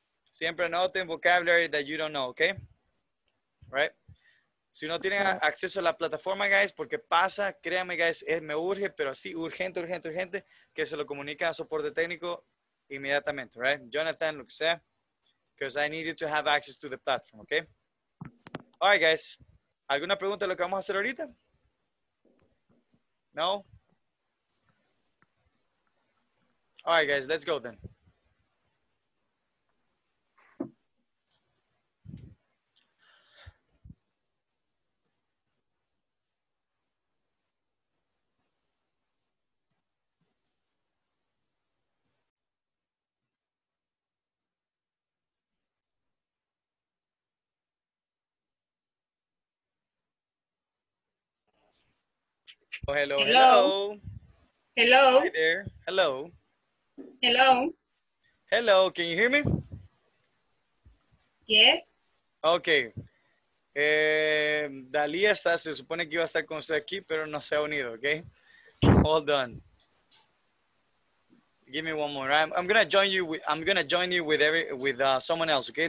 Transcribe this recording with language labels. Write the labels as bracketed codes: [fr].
[es] Siempre anoten [en] vocabulary that you don't know, okay? Right? [es] Si no tienen acceso a la plataforma, guys, porque pasa, créanme, guys, me urge, pero así, urgente, urgente, urgente, que se lo comunique a soporte técnico inmediatamente, right? [en] Jonathan, [es] lo que sea, [en] because I need you to have access to the platform, okay? All right, guys, [es] ¿alguna pregunta de lo que vamos a hacer ahorita? [en] No? All right, guys, let's go then. Oh, hello, hello. Hello. Hi there. Hello. Hello. Hello. Can you hear me? Yes. Okay. [es] Dalí está, se supone que iba a estar con usted aquí, pero no se ha unido, okay? [en] Hold on. Give me one more. I'm gonna join you with someone else, okay?